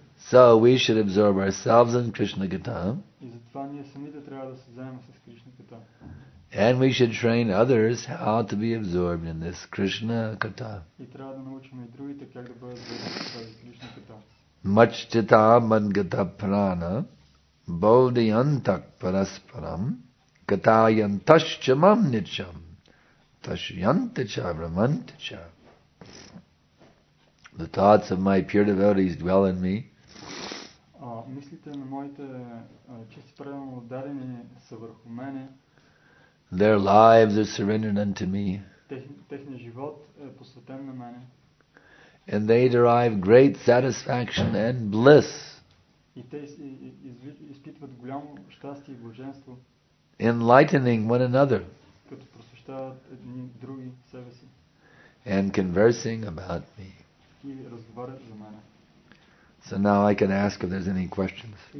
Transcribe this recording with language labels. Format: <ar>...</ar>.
<en>So we should absorb ourselves in Krishna Katha.</en> <bg>И затова ние самите трябва да се заемем с Кришна Катха.</bg> <en>And we should train others how to be absorbed in this Krishna Katha.</en> <bg>И трябва да научим и другите как да бъдат заедно с тази Кришна Катха.</bg> <sa>Маччита мангата прана бодиянтак параспарам катаянтащча мамничам ташьянтача брамантача.</sa> <en>The thoughts of my pure devotees dwell in me.</en> <bg>Мислите на моите чисти правилно отдадени са върху мене.</bg> <en>Their lives are surrendered unto me.</en> <bg>Техният живот е посветен на мене.</bg> <en>And they derive great satisfaction and bliss.</en> <bg>И те изпитват голямо щастие и блаженство.</bg> <en>Enlightening one another.</en> <bg>Като просвещават едни други себе си.</bg> <en>And conversing about me.</en> <bg>И разговарят за мене.</bg> <en>So now I can ask if there's any questions.</en>